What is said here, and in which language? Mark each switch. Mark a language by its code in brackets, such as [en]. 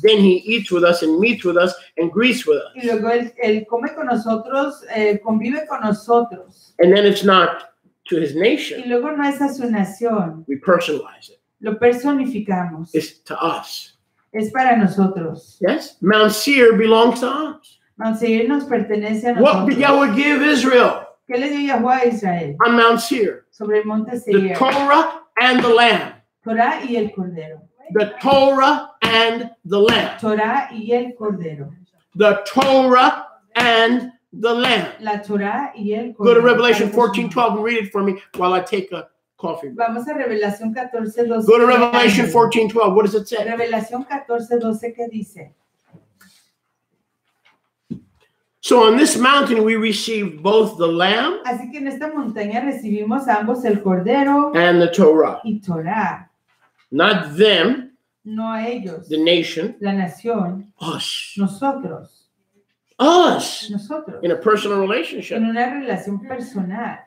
[en] Then he eats with us and meets with us and greets with us. [es] Y luego él come con nosotros, convive con nosotros. [en] And then it's not to his nation. [es] Y luego no es a su nación. [en] We personalize it. [es] Lo personificamos. [en] It's to us. [es] Es para nosotros. [en] Yes? Mount Seir belongs to us. [es] Mount Seir nos pertenece a nosotros. [en] What did Yahweh give Israel? [es] ¿Qué le dio Yahweh a Israel? [en] On Mount Seir. [es] Sobre el monte Seir. [en] The Torah and the Lamb. [es] Torah y el Cordero. [en] The Torah and the Lamb. [es] Torah y el Cordero. [en] The Torah and the Lamb. [es] La Torah y el Cordero. [en] Go to Revelation 14, 12 and read it for me while I take a coffee break. [es] Vamos a Revelación 14, 12. [en] Go to Revelation 14, 12. What does it say? [es] Revelación 14, 12, ¿qué dice? [en] So on this mountain we receive both the Lamb. [es] Así que en esta montaña recibimos ambos el Cordero. [en] And the Torah. [es] Y Torah. [en] Not them. [es] No a ellos. [en] The nation. [es] La nación. [en] Us. [es] Nosotros. [en] Us. [es] Nosotros. [en] In a personal relationship. [es] En una relación personal.